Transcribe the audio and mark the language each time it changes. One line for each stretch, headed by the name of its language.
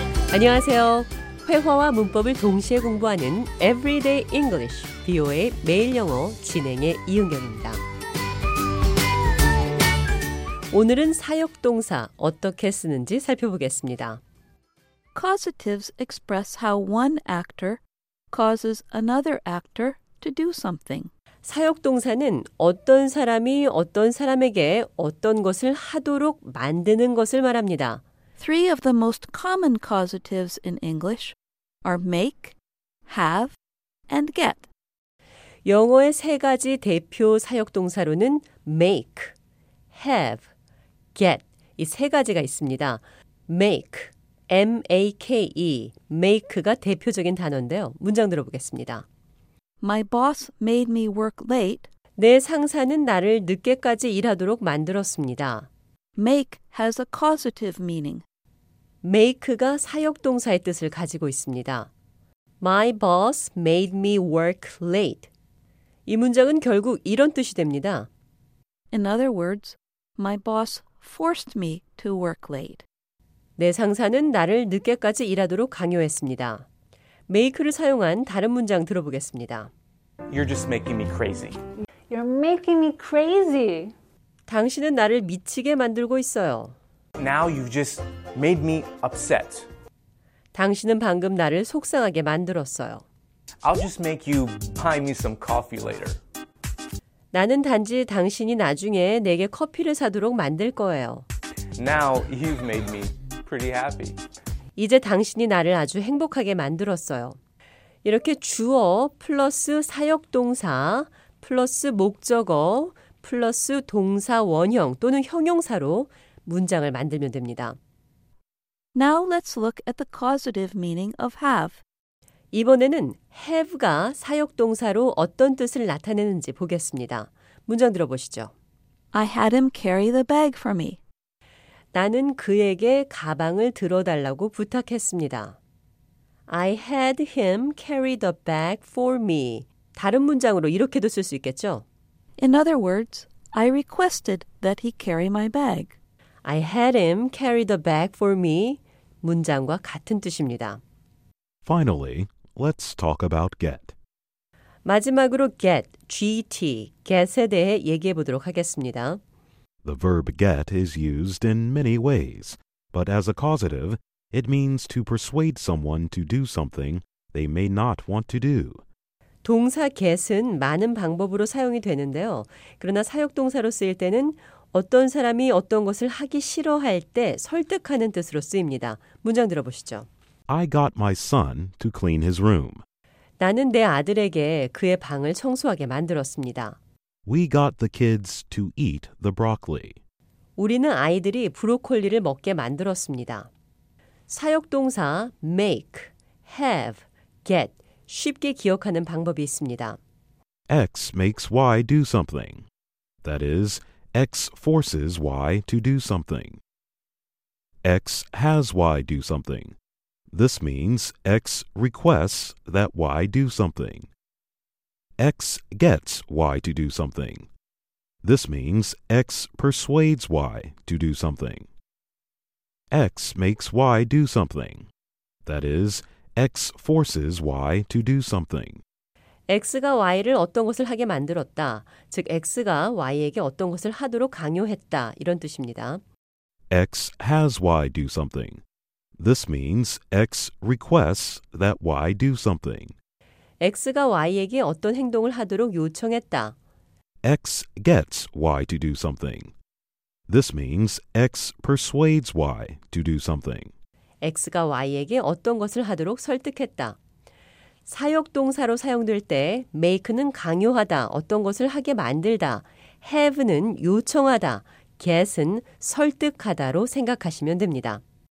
Korean: 안녕하세요. 회화와 문법을 동시에 공부하는 Everyday English, VOA 매일 영어 진행의 이은경입니다. 오늘은 사역 동사 어떻게 쓰는지 살펴보겠습니다.
English: Causatives express how one actor causes another actor to do something.
Korean: 사역 동사는 어떤 사람이 어떤 사람에게 어떤 것을 하도록 만드는 것을 말합니다.
English: Three of the most common causatives in English are make, have, and get.
Korean: 영어의 세 가지 대표 사역 동사로는 make, have, get 이 세 가지가 있습니다. make, M-A-K-E, make가 대표적인 단어인데요. 문장 들어보겠습니다.
English: My boss made me work late.
Korean: 내 상사는 나를 늦게까지 일하도록 만들었습니다.
English: Make has a causative meaning.
Korean: make가 사역동사의 뜻을 가지고 있습니다.
English: My boss made me work late.
Korean: 이 문장은 결국 이런 뜻이 됩니다.
English: In other words, my boss forced me to work late.
Korean: 내 상사는 나를 늦게까지 일하도록 강요했습니다. make를 사용한 다른 문장 들어보겠습니다.
English: You're just making me crazy. You're making me crazy.
Korean: 당신은 나를 미치게 만들고 있어요.
English: Now you just made me upset.
Korean: 당신은 방금 나를 속상하게 만들었어요.
English: I'll just make you buy me some coffee later.
Korean: 나는 단지 당신이 나중에 내게 커피를 사도록 만들 거예요.
English: Now you've made me pretty happy.
Korean: 이제 당신이 나를 아주 행복하게 만들었어요. 이렇게 주어 플러스 사역동사 플러스 목적어 플러스 동사 원형 또는 형용사로 문장을 만들면 됩니다.
English: Now let's look at the causative meaning of have.
Korean: 이번에는 have가 사역동사로 어떤 뜻을 나타내는지 보겠습니다. 문장 들어보시죠.
English: I had him carry the bag for me.
Korean: 나는 그에게 가방을 들어달라고 부탁했습니다.
English: I had him carry the bag for me.
Korean: 다른 문장으로 이렇게도 쓸 수 있겠죠?
English: In other words, I requested that he carry my bag. I had him carry the bag for me.
Korean: 문장과 같은 뜻입니다.
English: Finally, let's talk about get.
Korean: 마지막으로 get, GT, get에 대해 얘기해 보도록 하겠습니다.
English: The verb get is used in many ways, but as a causative, it means to persuade someone to do something they may not want to do.
Korean: 동사 get은 많은 방법으로 사용이 되는데요. 그러나 사역동사로 쓰일 때는 어떤 사람이 어떤 것을 하기 싫어할 때 설득하는 뜻으로 쓰입니다. 문장 들어보시죠.
English: I got my son to clean his room.
Korean: 나는 내 아들에게 그의 방을 청소하게 만들었습니다.
English: We got the kids to eat the broccoli.
Korean: 우리는 아이들이 브로콜리를 먹게 만들었습니다. 사역동사 make, have, get 쉽게 기억하는 방법이 있습니다.
English: X makes Y do something. That is, X forces Y to do something. X has Y do something. This means X requests that Y do something. X gets Y to do something. This means X persuades Y to do something. X makes Y do something. That is, X forces Y to do something.
Korean: X가 Y를 어떤 것을 하게 만들었다. 즉, X가 Y에게 어떤 것을 하도록 강요했다. 이런 뜻입니다.
English: X has Y do something. This means X requests that Y do something.
Korean: X가 Y에게 어떤 행동을 하도록 요청했다.
English: X gets Y to do something. This means X persuades Y to do something.
Korean: X가 Y에게 어떤 것을 하도록 설득했다. 사역동사로 사용될 때 make는 강요하다, 어떤 것을 하게 만들다, have는 요청하다, get은 설득하다로 생각하시면 됩니다.